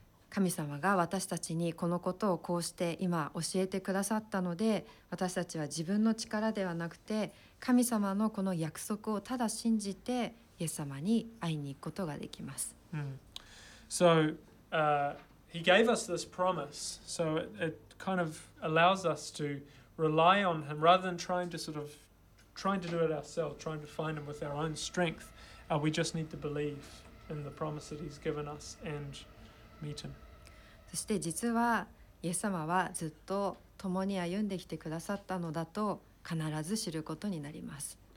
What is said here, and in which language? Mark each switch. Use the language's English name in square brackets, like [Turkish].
[Japanese] 神様が私たちにこのことをこうして今教えてくださったので、私たちは自分の力ではなくて、神様のこの約束をただ信じて、イエス様に会いに行くことができます。 [English] So, he gave us this promise. So, it kind of allows us to rely on him rather than trying to do it ourselves, trying to find him with our own strength. We just need to believe in the promise that he's given us and meet him. [Japanese] そして実はイエス様はずっと共に歩んできてくださったのだと必ず知ることになります。